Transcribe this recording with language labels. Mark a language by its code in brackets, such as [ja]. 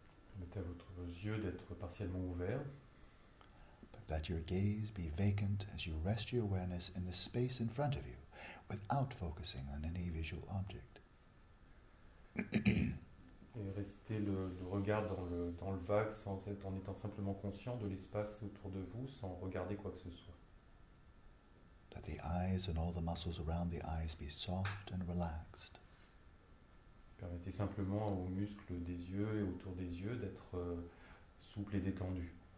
[fr] Permettez à vos yeux d'être partiellement ouverts. [en] But let your gaze be vacant as you rest your awareness in the space in front of you, without focusing on any visual object. [fr] Et restez le regard dans le vague en étant simplement conscient de l'espace autour de vous sans regarder quoi que ce soit. [en] Let the eyes and all the muscles around the eyes be soft and relaxed. [fr] Permettez simplement aux muscles des yeux et autour des yeux d'être souples et détendus.